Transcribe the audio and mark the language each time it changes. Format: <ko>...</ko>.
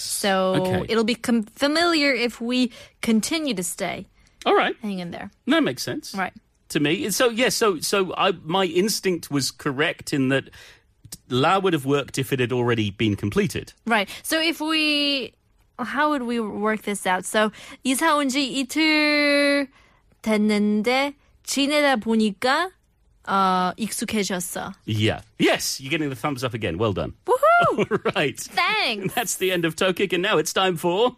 <en>So it'll be familiar if we continue to stay. All right. Hang in there. That makes sense. Right. To me. So, yeah, so my instinct was correct in that La would have worked if it had already been completed. Right. So if we, how would we work this out?</en> <ko>So 이사 온 지 이틀 됐는데 지내다 보니까 익숙해졌어.</ko> <en>Yeah. Yes. You're getting the thumbs up again. Well done. Woo-hoo! Right. Thanks. That's the end of TOKIC, and now it's time for</en>